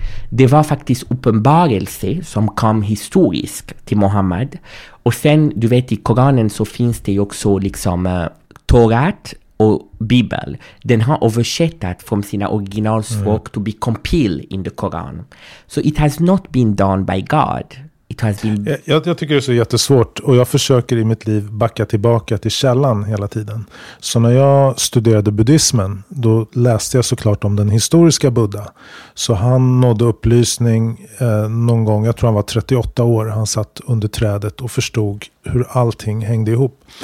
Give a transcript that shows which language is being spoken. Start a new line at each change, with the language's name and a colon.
Swedish: Det var faktiskt uppenbarelse som kom historiskt till Mohammed. Och sen, du vet, i Koranen så finns det ju också liksom Torat och Bibel. Den har översättat från sina originalspråk
English: to be compiled in the Koran. So it has not been done by God. It has been...
Swedish: Jag tycker det är så jättesvårt. Och jag försöker i mitt liv backa tillbaka till källan hela tiden. Så när jag studerade buddhismen, då läste jag såklart om den historiska Buddha. Så han nådde upplysning någon gång, jag tror han var 38 år. Han satt under trädet och förstod hur allting hängde ihop.